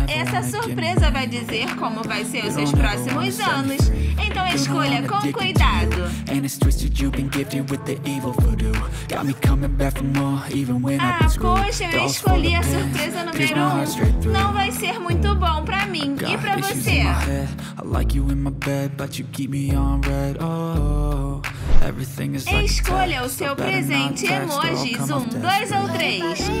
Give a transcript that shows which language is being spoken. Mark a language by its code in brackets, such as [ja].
[pt] Essa surpresa vai dizer como vai ser os seus próximos anos. Então escolha com cuidado. [en] And it's twisted, you've been gifted with the evil voodoo. Got me coming back for more, even when I've been screwed. [pt] Ah, poxa, eu escolhi a surpresa número 1. Não vai ser muito bom pra mim e pra você. [en] I like you in my bed, but you keep me on red. Oh, is like [pt] escolha o seu presente emojis, 1, 2 ou 3.